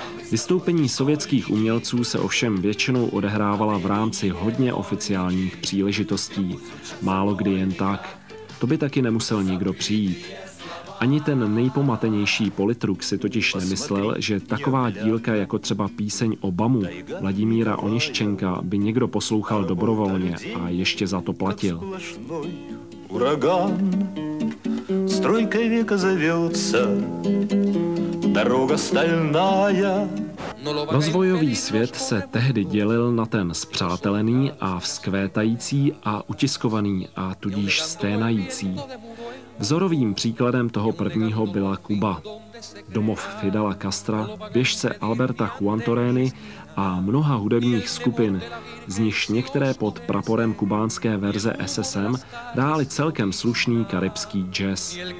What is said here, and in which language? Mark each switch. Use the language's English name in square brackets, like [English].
[Czech] Vystoupení sovětských umělců se ovšem většinou odehrávala v rámci hodně oficiálních příležitostí, málo kdy jen tak. To by taky nemusel nikdo přijít. Ani ten nejpomatenější politruk si totiž nemyslel, že taková dílka jako třeba píseň Obamu Vladimíra Oniščenka by někdo poslouchal dobrovolně a ještě za to platil. [Russian] Ураган, стройка века зовется, дорога стальная. [Czech] Rozvojový svět se tehdy dělil na ten spřátelený a vzkvétající a utiskovaný a tudíž sténající. Vzorovým příkladem toho prvního byla Kuba, domov Fidela Castra, běžce Alberta Juantorény a mnoha hudebních skupin, z nichž některé pod praporem kubánské verze SSM dály celkem slušný karibský jazz.